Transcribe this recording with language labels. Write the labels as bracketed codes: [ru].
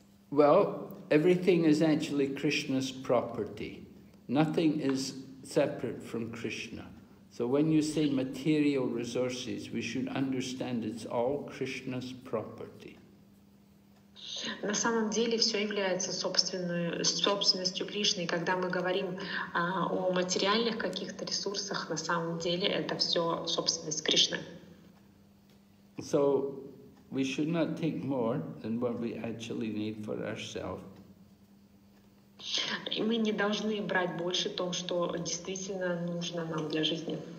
[en] Well, everything is actually Krishna's property. Nothing is separate from Krishna. So when you say material resources, we should understand it's all Krishna's property. [ru] На самом деле все является собственностью Кришны. И когда мы говорим о материальных каких-то ресурсах, на самом деле это все собственность Кришны. [en] So we should not take more than what we actually need for ourselves. [ru] И мы не должны брать больше того, что действительно нужно нам для жизни.